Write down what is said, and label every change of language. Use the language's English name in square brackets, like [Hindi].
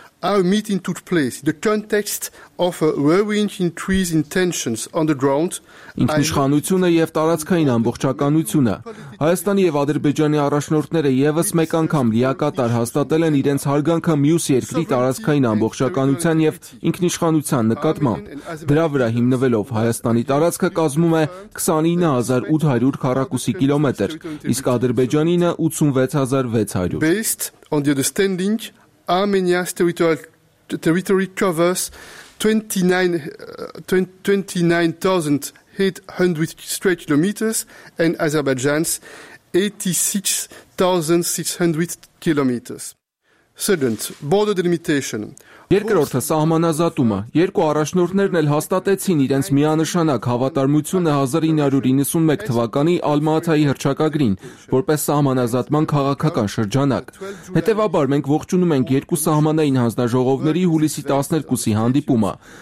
[English] how meeting took place, the context of a whirlwind increase in tensions on the ground. [Armenian] Ինքնիշխանությունը եւ տարածքային ամբողջականությունը Հայաստանի եւ Ադրբեջանի առաջնորդները եւս մեկ անգամ լիակատար հաստատել են իրենց հարգանքը մյուս երկրի տարածքային ամբողջականության եւ ինքնիշխանության նկատմամբ։ Դրա վրա հիմնվելով Հայաստանի տարածքը կազմում է 29800 քառակուսի կիլոմետր, իսկ Ադրբեջանինը 86600։ [English] Based on the understanding, Armenia's territory covers 29,800 square kilometers and Azerbaijan's 86,600 kilometers. Second, border delimitation. [Armenian] Երկրորդը սահմանազատումը։ Երկու առաջնորդներն էլ հաստատեցին իրենց միանշանակ հավատարմությունը 1991 թվականի Ալմաաթայի հռչակագրին, որպես սահմանազատման քաղաքական շրջանակ։ Հետևաբար մենք ողջունում ենք երկու սահմանային հանձնաժողովների հուլիսի 12-ի հանդիպումը։